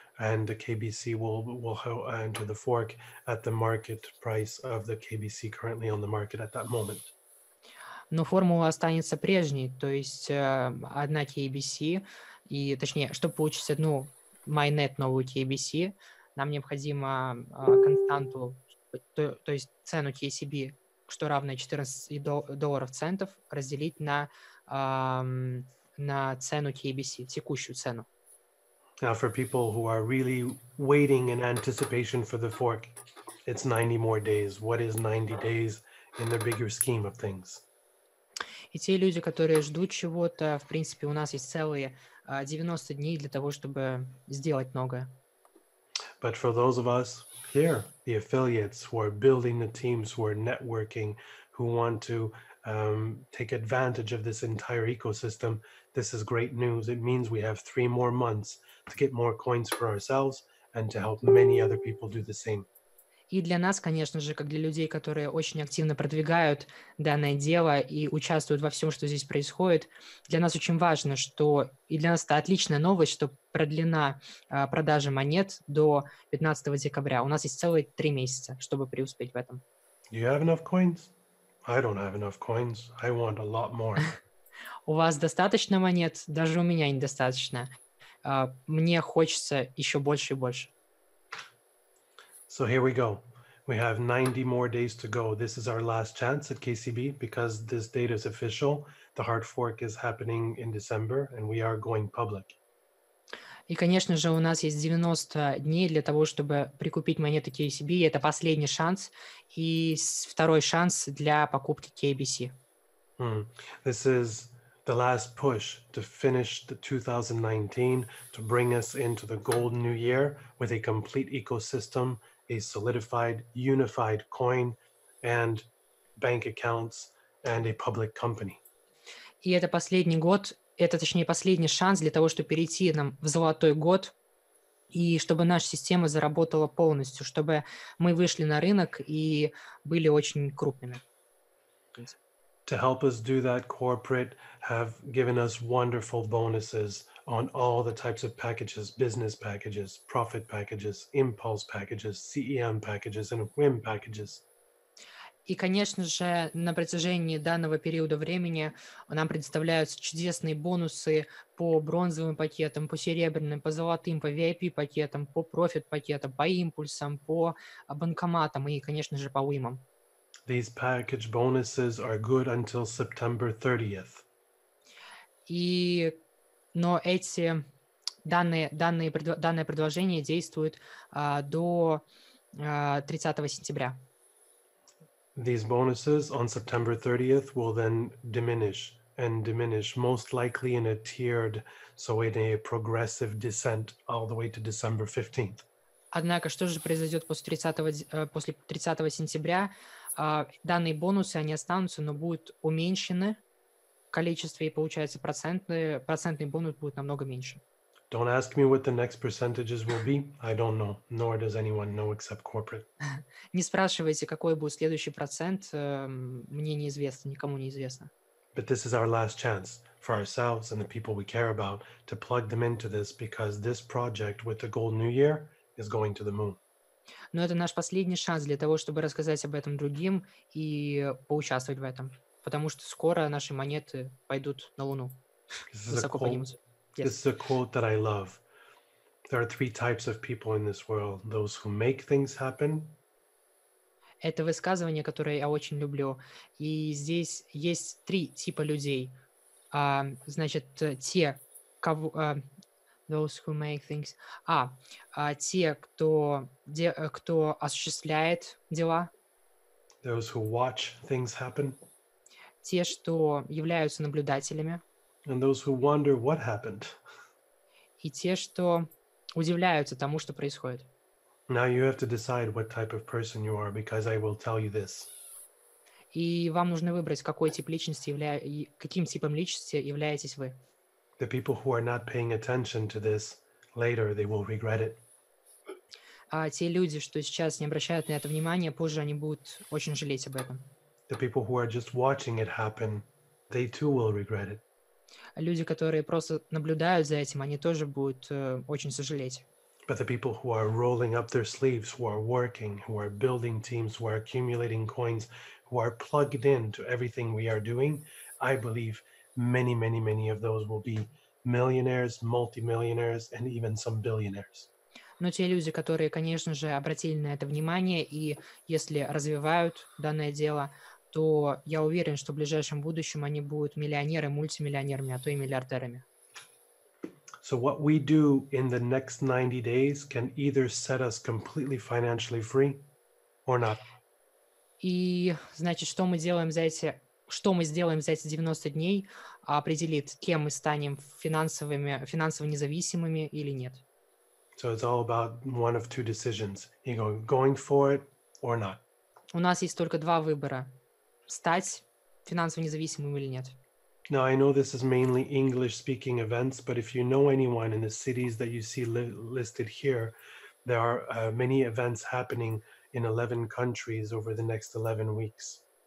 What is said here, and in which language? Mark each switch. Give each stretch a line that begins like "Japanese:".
English: And the KBC will enter the fork at the market price of the KBC currently on the market at that moment.
Russian: Но формула останется прежней, то есть одна KBC, и точнее, чтобы получить одну майнет новую KBC, нам необходимо константу, то есть цену KCB, что равна 14 долларов центов, разделить на цену KBC, текущую цену.
English: Now for people who are really waiting in anticipation for the fork, it's 90 more days. What is 90 days in the bigger scheme of things?
Russian: И те люди, которые ждут чего-то, в принципе, у нас есть целые 90 дней для того, чтобы сделать многое.
English: But for those of us here, the affiliates who are building the teams, who are networking, who want to take advantage of this entire ecosystem, this is great news. It means we have 3 more months to get more coins for ourselves and to help many other people do the same.
Russian: И для нас, конечно же, как для людей, которые очень активно продвигают данное дело и участвуют во всем, что здесь происходит, для нас очень важно, что и для нас это отличная новость, что продлена продажа монет до 15 декабря. У нас есть целые 3 месяца, чтобы преуспеть в этом.
English: Do you have enough coins? I don't have enough coins. I want a lot more.
Russian: У вас достаточно монет? Даже у меня недостаточно. Мне хочется еще больше и больше.
English: So here we go. We have 90 more days to go. This is our last chance at KCB because this date is official. The hard fork is happening in December and we are going public.
Russian: И, конечно же, у нас есть 90 дней для того, чтобы прикупить монеты KCB. И это последний шанс и второй шанс для покупки KBC.
English: This is the last push to finish the 2019 to bring us into the gold new year with a complete ecosystem, a solidified, unified coin and bank accounts and a public company.
Russian: И это последний год, это точнее последний шанс для того, чтобы перейти нам в золотой год и чтобы наша система заработала полностью, чтобы мы вышли на рынок и были очень крупными.
English: To help us do that, corporate have given us wonderful bonuses on all the types of packages, business packages, profit packages, impulse packages, CEM packages, and WIM packages.
Russian: И, конечно же, на протяжении данного периода времени нам предоставляются чудесные бонусы по бронзовым пакетам, по серебряным, по золотым, по VIP-пакетам, по профит-пакетам, по импульсам, по банкоматам и, конечно же, по WIM-ам.
English: These package bonuses are good until September 30th.
Russian: Но эти данные предложения действуют до 30 сентября.
English: these bonuses on September 30th will then diminish and diminish, most likely in a tiered, so in a progressive descent all the way to December 15th.
Russian: Однако, что же произойдет после 30 сентября? Данные бонусы, они останутся, но будут уменьшены количество, и получается процентный бонус будет намного меньше.
English: Don't ask me what the next percentages will be. I don't know, nor does anyone know except corporate.
Russian: Не спрашивайте, какой будет следующий процент, мне неизвестно, никому неизвестно.
English: But this is our last chance for ourselves and the people we care about to plug them into this, because this project with the Gold New Year is going to the moon.
Russian: Но это наш последний шанс для того, чтобы рассказать об этом другим и поучаствовать в этом, потому что скоро наши монеты пойдут на Луну.
English: This is a quote that I love. There are three types of people in this world: those who make things happen.
Russian: Это высказывание, которое я очень люблю. И здесь есть три типа людей. Те, кто осуществляет дела.
English: Those who watch things happen.
Russian: Те, что являются наблюдателями.
English: And those who wonder what happened.
Russian: И те, что удивляются тому, что происходит.
English: Now you have to decide what type of person you are, because I will tell you this.
Russian: И вам нужно выбрать, какой тип личности каким типом личности являетесь вы.
English: The people who are not paying attention to this later, they will regret it.
Russian: А те люди, что сейчас не обращают на это внимания, позже они будут очень жалеть об этом.
English: The people who are just watching it happen, they too will regret it.
Russian: Люди, которые просто наблюдают за этим, они тоже будут очень сожалеть.
English: But the people who are rolling up their sleeves, who are working, who are building teams, who are accumulating coins, who are plugged in to everything we are doing, I believe many, many, many of those will be millionaires, multimillionaires, and even some billionaires.
Russian: Но те люди, которые, конечно же, обратили на это внимание, и если развивают данное дело, то я уверен, что в ближайшем будущем они будут миллионеры, мультимиллионерами, а то и миллиардерами.
English: So what we do in the next 90 days can either set us completely financially free or not.
Russian: И, значит, что мы сделаем за эти 90 дней, определит, кем мы станем финансово независимыми или нет.
English: So it's all about one of two decisions. Going for it or not.
Russian: У нас есть только два выбора: стать финансово независимым или нет.
English: Now, I know this is mainly English-speaking events, but if you know anyone in the cities that you see listed here, there are many events happening in 11 countries over the next 11 weeks.